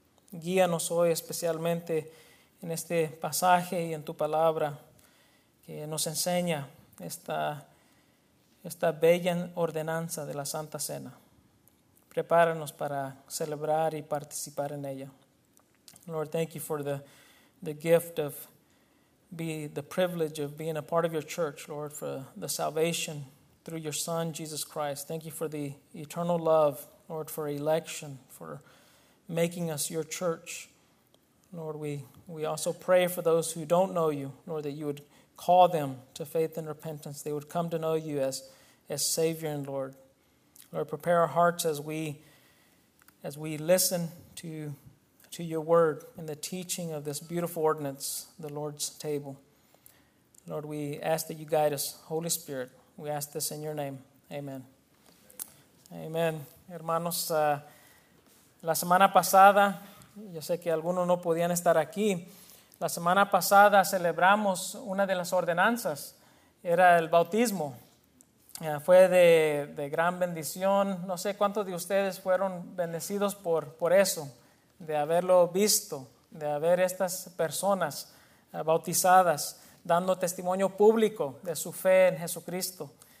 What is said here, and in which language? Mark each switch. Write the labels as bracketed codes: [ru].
[es] Guíanos hoy especialmente en este pasaje y en tu palabra que nos enseña esta bella ordenanza de la Santa Cena. Prepáranos para celebrar y participar en ella. [en] Lord, thank you for the gift of the privilege of being a part of your church, Lord, for the salvation through your Son, Jesus Christ. Thank you for the eternal love, Lord, for election, for making us your church. Lord, we also pray for those who don't know you, Lord, that you would call them to faith and repentance. They would come to know you as Savior and Lord. Lord, prepare our hearts as we listen to your word and the teaching of this beautiful ordinance, the Lord's table. Lord, we ask that you guide us, Holy Spirit. We ask this in your name. Amen. Amen. [es] Hermanos, la semana pasada, yo sé que algunos no podían estar aquí, la semana pasada celebramos una de las ordenanzas, era el bautismo. Fue de gran bendición. No sé cuántos de ustedes fueron bendecidos por eso, de haberlo visto, de haber estas personas bautizadas, dando testimonio público de su fe en Jesucristo.